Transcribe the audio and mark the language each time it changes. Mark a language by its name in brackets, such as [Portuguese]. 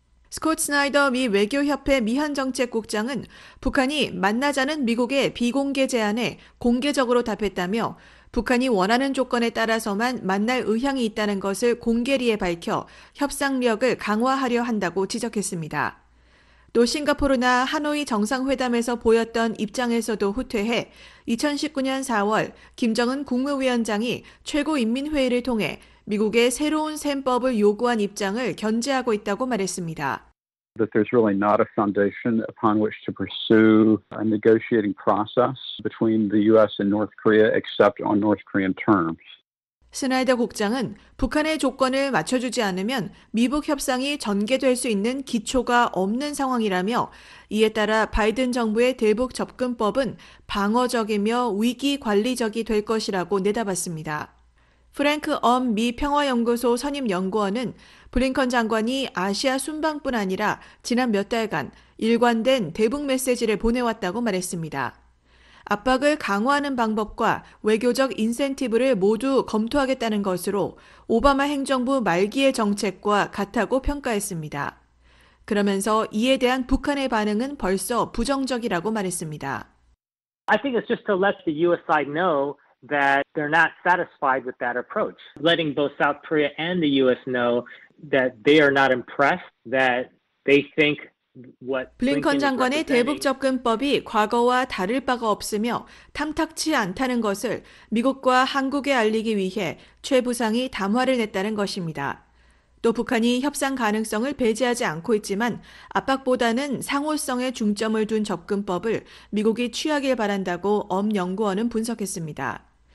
[Korean] 스콧 스나이더 미 외교협회 미한정책국장은 북한이 만나자는 미국의 비공개 제안에 공개적으로 답했다며 북한이 원하는 조건에 따라서만 만날 의향이 있다는 것을 공개리에 밝혀 협상력을 강화하려 한다고 지적했습니다. 또 싱가포르나 하노이 정상회담에서 보였던 입장에서도 후퇴해 2019년 4월 김정은 국무위원장이 최고인민회의를 통해 미국의 새로운 셈법을 요구한 입장을 견제하고 있다고 말했습니다. [English] That there's really not a foundation upon which to pursue a negotiating process between the U.S. and North Korea except on North Korean terms. [Korean] 스나이더 국장은 북한의 조건을 맞춰주지 않으면 미북 협상이 전개될 수 있는 기초가 없는 상황이라며 이에 따라 바이든 정부의 대북 접근법은 방어적이며 위기 관리적이 될 것이라고 내다봤습니다. 프랭크 엄미 평화연구소 선임 연구원은 블링컨 장관이 아시아 순방뿐 아니라 지난 몇 달간 일관된 대북 메시지를 보내왔다고 말했습니다. 압박을 강화하는 방법과 외교적 인센티브를 모두 검토하겠다는 것으로 오바마 행정부 말기의 정책과 같다고 평가했습니다. 그러면서 이에 대한 북한의 반응은 벌써 부정적이라고 말했습니다. [English] I think it's just to let the US side know that they're not satisfied with that approach. Letting both South Korea and the US know that they are not impressed, that they think what Blinken [Korean] 블링컨 [English] is [Korean] 장관의 대북 [English] representing. [Korean] 접근법이 과거와 다를 바가 없으며 탐탁치 않다는 것을 미국과 한국에 알리기 위해 최 부상이 담화를 냈다는 것입니다. 또 북한이 협상 가능성을 배제하지 않고 있지만 압박보다는 상호성에 중점을 둔 접근법을 미국이 취하길 바란다고 엄 연구원은 분석했습니다.